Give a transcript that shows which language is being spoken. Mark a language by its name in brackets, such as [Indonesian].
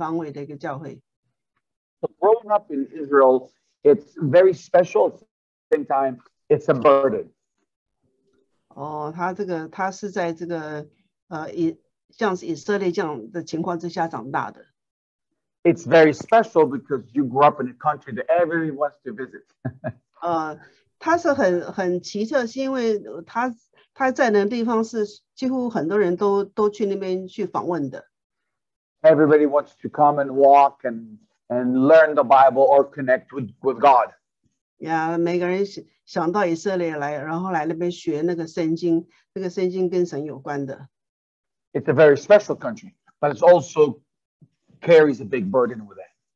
[Chinese] 功能啊，像那个医疗的啊，像这个其他的功能都有。所以说，它不只是个教会，他们真的是一个全方位的一个教会。So [English] growing up in Israel, it's very special. At the same time, it's a burden. [Chinese] 哦，他是在这个像是以色列这样的情况之下长大的。It's [English] very special because you grew up in a country that everyone wants to visit. [Chinese] 它是很奇特，是因为它在那个地方是几乎很多人都去那边去访问的。Everybody [English] wants to come and walk and learn the Bible or connect with God. [Chinese] Yeah, 每个人想到以色列来，然后来那边学那个圣经，那个圣经跟神有关的。It's [English] a very special country, but it also carries a big burden with it.